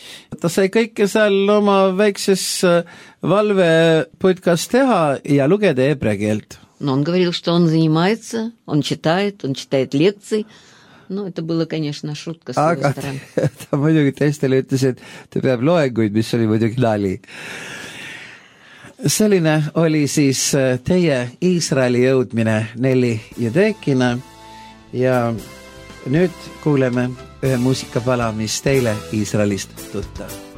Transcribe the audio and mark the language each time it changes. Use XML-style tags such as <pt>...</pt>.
<et>Ta sai kõike seal oma väikses valveputkas teha ja lugeda hebrea keelt.</et> <ru>Но он говорил, что он занимается, он читает лекции. Ну, это было, конечно, шутка с его стороны.</ru> <et>Muidugi teistele ütles, et ta peab loenguid, mis oli muidugi nali. Selline oli siis teie Iisraeli jõudmine Nelli Jedekina. Ja nüüd kuuleme ühe muusikapala, mis teile Iisraelist tuttav.</et>